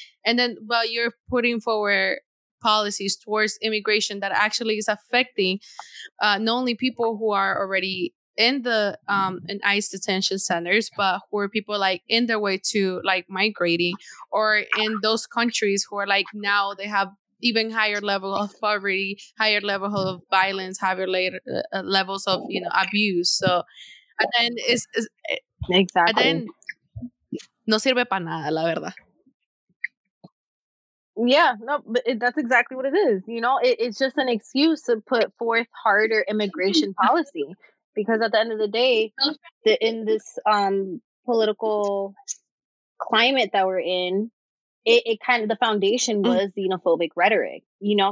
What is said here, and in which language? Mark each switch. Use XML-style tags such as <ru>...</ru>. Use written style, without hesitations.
<en>And then while you're putting forward policies towards immigration that actually is affecting not only people who are already in the in ICE detention centers, but who are people like in their way to like migrating, or in those countries who are like now they have even higher level of poverty, higher level of violence, higher later levels of, you know, abuse. So and then it's exactly and then</en> <es>no sirve para nada, la verdad.</es> <en>Yeah, no, but that's exactly what it is. You know, it's just an excuse to put forth harder immigration policy, because at the end of the day, in this political climate that we're in, it kind of, the foundation was xenophobic rhetoric, you know?</en>